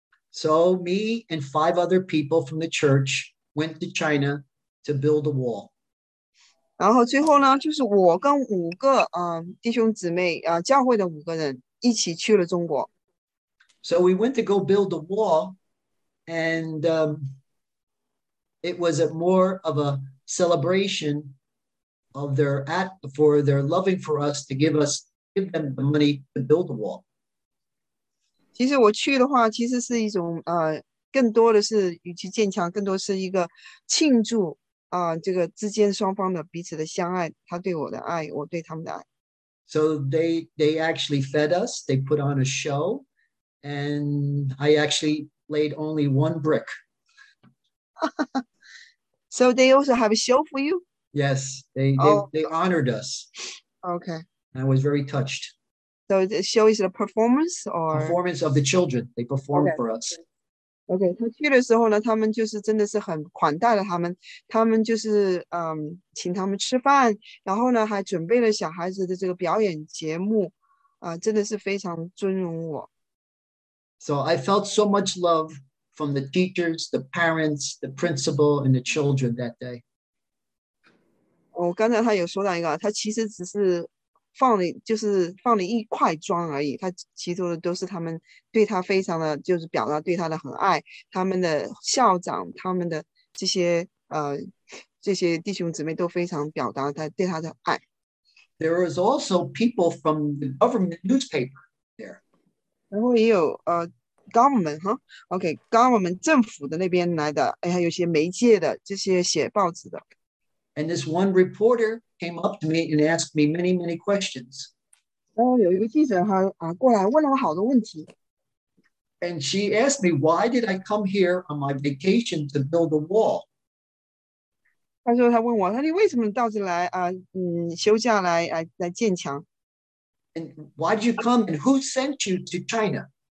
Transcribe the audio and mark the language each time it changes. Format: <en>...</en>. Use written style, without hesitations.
<en>So me and 5 other people from the church went to China to build a wall.</en> <zh>然后最后呢，就是我跟五个弟兄姊妹教会的五个人一起去了中国。</zh> <en>So we went to go build a wall, and it was a more of a celebration of their for their loving for us to give them the money to build a wall.</en> <zh>其实我去的话，其实是一种更多的是与其建墙，更多是一个庆祝这个之间双方的彼此的相爱，他对我的爱，我对他们的爱。</zh> <en>So they actually fed us, they put on a show, and I actually laid only one brick. So they also have a show for you? Yes, they honored us. Okay. I was very touched. So the show is a performance or? Performance of the children. They performed okay. for us.</en> <zh>Okay, 他去的时候呢，他们就是真的是很款待了他们。他们就是请他们吃饭，然后呢还准备了小孩子的这个表演节目，真的是非常尊荣我。</zh> <en>So I felt so much love from the teachers, the parents, the principal, and the children that day.</en> <zh>我刚才他有说到一个，他其实只是放了一块砖而已，他其实都是他们对他非常的就是表达对他的很爱，他们的校长，他们的这些弟兄姊妹都非常表达他对他的爱。</zh> <en>There is also people from the government newspaper there.</en> <zh>然后也有</zh> <en>government, huh? Okay, government,</en> <zh>政府的那边来的，还有些媒介的，这些写报纸的。</zh> <en>And this one reporter came up to me and asked me many, many questions.</en> <zh>然后有一个记者过来问了我好多问题。</zh> <en>And she asked me, why did I come here on my vacation to build a wall?</en> <zh>她问我, 她为什么到这来, 休假来, 来建墙?</zh> <en>And why did you come and who sent you to China?</en>